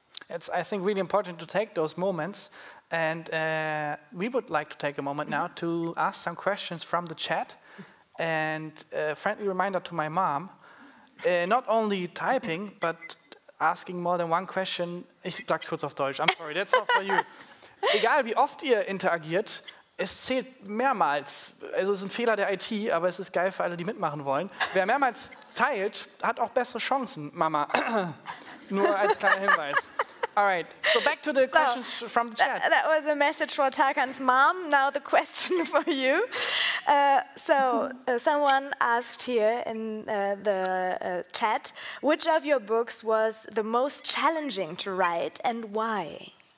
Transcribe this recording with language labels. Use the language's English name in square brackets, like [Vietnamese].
[English] It's, I think, really important to take those moments. And we would like to take a moment now to ask some questions from the chat. And a friendly reminder to my mom, not only typing, but asking more than one question. [German] Ich sag's kurz auf Deutsch. [English] I'm sorry, that's not for you. [German] Egal wie oft ihr interagiert, es zählt mehrmals. Also es ist ein Fehler der IT, aber es ist geil für alle, die mitmachen wollen. Wer mehrmals teilt, hat auch bessere Chancen, Mama. Nur als kleiner Hinweis. [English] All right, so back to the questions from the chat. That was a message for Tarkan's mom. Now the question for you. Someone asked here in the chat, which of your books was the most challenging to write and why?